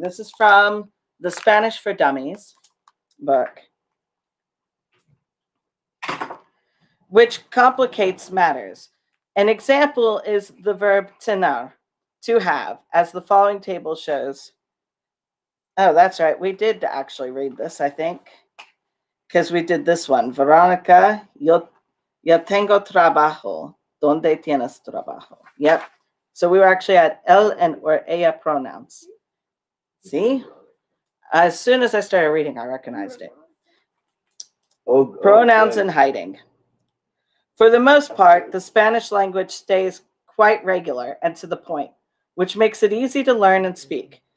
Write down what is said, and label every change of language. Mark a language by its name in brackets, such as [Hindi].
[English] This is from the Spanish for Dummies book, which complicates matters. An example is the verb tener, to have, as the following table shows. Oh, that's right. We did actually read this, I think, because we did this one. [Spanish] Veronica, yo tengo trabajo. ¿Dónde tienes trabajo? [English] Yep. So we were actually at él and or ella pronouns. See? As soon as I started reading, I recognized it. Oh, pronouns in hiding. For the most part, the Spanish language stays quite regular and to the point, which makes it easy to learn and speak.